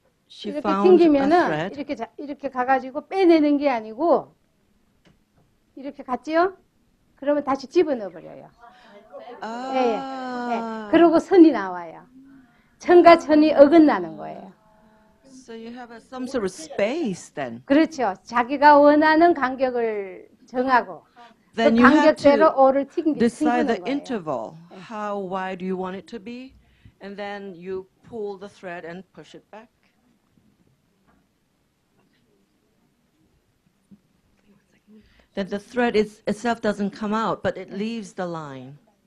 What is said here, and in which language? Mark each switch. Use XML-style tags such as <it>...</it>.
<en>She</en> <ko>이렇게</ko> <en>found</en> <ko>튕기면은 이렇게 가가지고 빼내는 게 아니고 이렇게 갔지요? 그러면 다시 집어넣어 버려요. 아~ 네, 네. 그리고 선이 나와요. 천과 천이 어긋나는 거예요.</ko> <en>So you have some sort of space then.</en> <ko>그렇죠. 자기가 원하는 간격을 정하고</ko> <en>then</en> <ko>그 간격대로 오를 튕기는 거예요.</ko> <en>Then you have to decide the interval. How wide do you want it to be? And then you pull the thread and push it back. That the thread is, itself doesn't come out, but it leaves the line.</en>